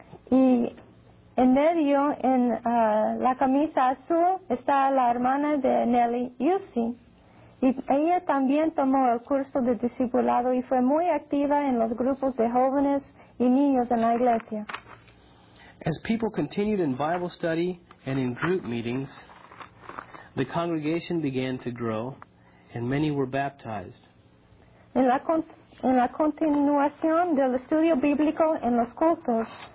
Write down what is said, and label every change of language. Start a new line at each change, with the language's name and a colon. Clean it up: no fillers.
Spanish: Y en medio, en la camisa azul, está la hermana de Nelly, Ilse. Y ella también tomó el curso de discipulado y fue muy activa en los grupos de jóvenes y niños en la iglesia.
English: As people continued in Bible study and in group meetings, the congregation began to grow, and many were baptized.
Spanish: En la continuación del estudio bíblico en los cultos,